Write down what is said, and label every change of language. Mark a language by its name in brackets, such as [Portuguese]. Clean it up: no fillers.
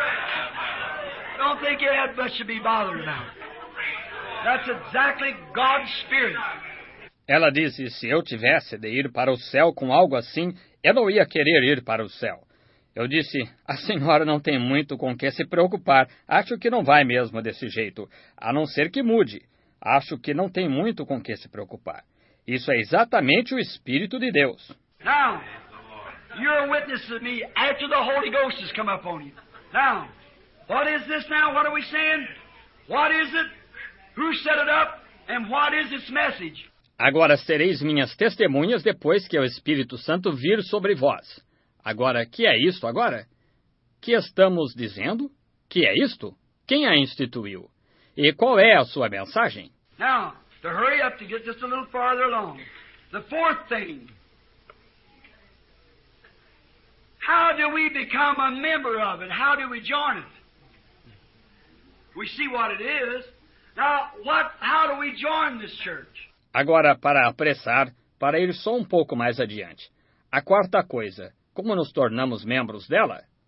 [English] I don't think you have much to be bothered about. That's exactly God's spirit. [Portuguese] Ela disse, se eu tivesse de ir para o céu com algo assim, eu não ia querer ir para o céu. Eu disse, a senhora não tem muito com que se preocupar. Acho que não vai mesmo desse jeito, a não ser que mude. Acho que não tem muito com que se preocupar. Isso é exatamente o Espírito de Deus. [English] Now, you're a witness to me after the Holy Ghost has come upon you. Now, what is this now? What are we saying? What is it? Who set it up? And what is its message? [Portuguese] Agora sereis minhas testemunhas depois que o Espírito Santo vir sobre vós. Agora, que é isto agora? Que estamos dizendo? Que é isto? Quem a instituiu? E qual é a sua mensagem? [English] Now, to hurry up to get just a little farther along. The fourth thing. How do we become a member of it? How do we join it? We see what it is. Now, how do we join this church? [Portuguese] Agora, para apressar, para ir só um pouco mais adiante. A quarta coisa, como nos tornamos membros dela?